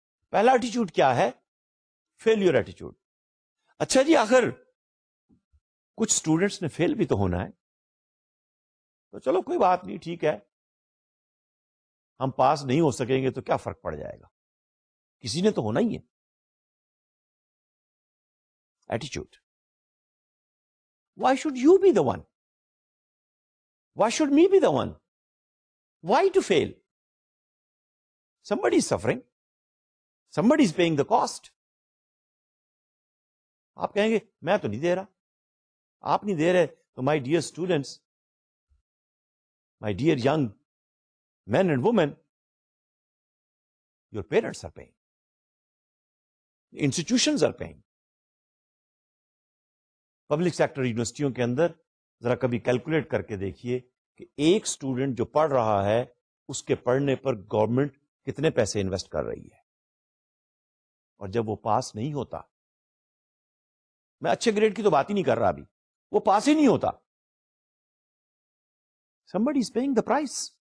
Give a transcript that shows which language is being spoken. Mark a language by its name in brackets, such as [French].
[Urdu] پہلا ایٹیچیوڈ کیا ہے؟ فیلیور ایٹیچیوڈ. اچھا جی, آخر کچھ اسٹوڈینٹس نے فیل بھی تو ہونا ہے, تو چلو کوئی بات نہیں, ٹھیک ہے, ہم پاس نہیں ہو سکیں گے تو کیا فرق پڑ جائے گا, کسی نے تو ہونا ہی ہے. [English] ایٹیچیوڈ. Why should you be the one, why should me be the one, Y to feel? Somebody is suffering, somebody is paying the cost. [Urdu] آپ کہیں گے میں تو نہیں دے رہا, آپ نہیں دے رہے تو [English] My dear students, my dear young men and women, your parents are paying, institutions are paying. [Urdu] Public sector یونیورسٹیوں کے اندر ذرا کبھی کیلکولیٹ کر کے دیکھیے کہ ایک اسٹوڈینٹ جو پڑھ رہا ہے اس کے پڑھنے پر گورنمنٹ کتنے پیسے انویسٹ کر رہی ہے، اور جب وہ پاس نہیں ہوتا، میں اچھے گریڈ کی تو بات ہی نہیں کر رہا ابھی، وہ پاس ہی نہیں ہوتا، [English] somebody is paying the price.